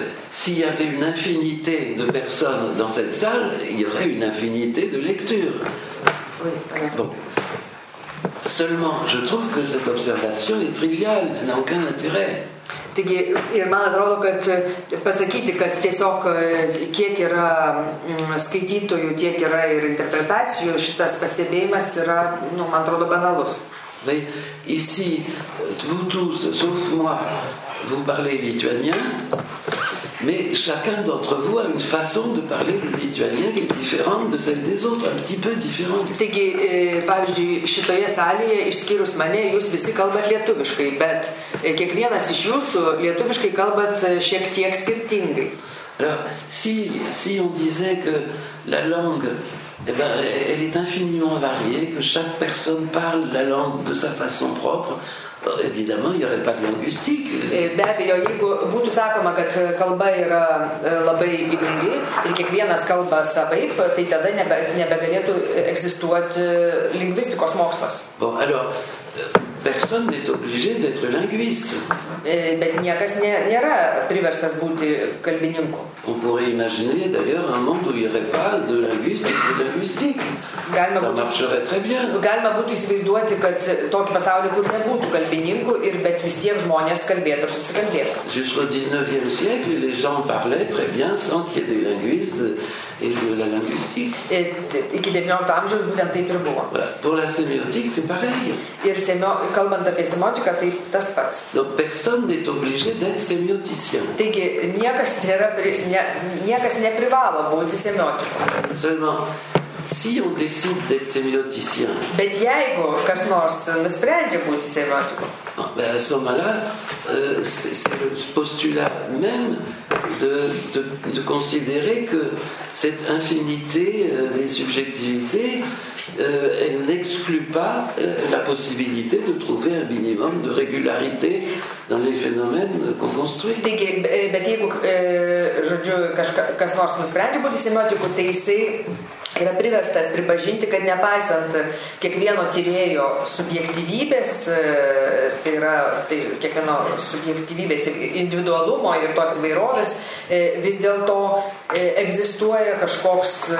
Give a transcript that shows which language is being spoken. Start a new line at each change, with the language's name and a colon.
French: S'il y avait une infinité de personnes dans cette salle, il y aurait une infinité de lectures. Oui, bon. Seulement, je trouve que cette observation est triviale, elle n'a aucun intérêt.
Lithuanian: Taigi, ir man atrodo, kad pasakyti, kad tiesiog kiek yra skaitytojų, tiek yra ir interpretacijų, šitas pastebėjimas yra, nu, man atrodo, banalus.
French: Mais ici, vous tous, sauf moi, vous parlez lituanien, mais chacun d'entre vous a une façon de parler le lituanien qui est différente de celle des autres, un petit peu différente.
Lithuanian: Taigi, pavyzdžiui, šitoje salėje, išskyrus mane, jūs visi kalbat lietuviškai, bet kiekvienas iš jūsų lietuviškai kalbat šiek tiek skirtingai.
French: Alors, si on disait que la langue... Eh ben, elle est infiniment variée, que chaque personne parle la langue de sa façon propre. Alors, évidemment, il n'y aurait pas de linguistique.
Lithuanian: Be abejo, jeigu būtų sakoma, kad kalba yra labai įvairi ir kiekvienas kalba savaip, tai tada nebegalėtų egzistuoti lingvistikos mokslas.
French: Bon, alors, personne n'est obligé d'être linguiste.
Lithuanian: Bet niekas nėra priverstas būti kalbininku.
French: On pourrait imaginer d'ailleurs un monde où il n'y aurait pas de linguiste ou de linguistique.
Lithuanian: Galima
French: ça
Lithuanian: būtų,
French: marcherait très bien.
Lithuanian: Galima būtų įsivaizduoti, kad tokį pasaulį, kur nebūtų kalbininkų, ir bet vis tiek žmonės kalbėtų ir susikalbėtų.
French: Jusqu'au 19e siècle, les gens parlaient très bien sans qu'il y ait des linguistes et de la linguistique.
Lithuanian: Iki 19 amžiaus būtent taip ir buvo.
French: Pour la sémiotique, c'est pareil.
Lithuanian: Ir kalbant apie semiotiką, tai tas pats.
French: Donc, personne n'est obligé d'être sémioticien.
Lithuanian: Taigi, niekas neprivalo būti semiotiku.
French: Seulement, si on décide d'être sémioticien.
Lithuanian: Bet jeigu kas nors nusprendžia būti semiotiku.
French: Ben, à ce moment-là, c'est le postulat même de considérer que cette infinité des subjectivités, elle n'exclut pas la possibilité de trouver un minimum de régularité dans les phénomènes qu'on construit.
Lithuanian: Taigi, bet jeigu, žodžiu, kas nors nusprendžia būti semiotiku, tai jisai yra priverstas pripažinti, kad nepaisant kiekvieno tyrėjo subjektyvybės, tai yra tai kiekvieno subjektyvybės individualumo ir tos įvairovės, vis dėlto egzistuoja kažkoks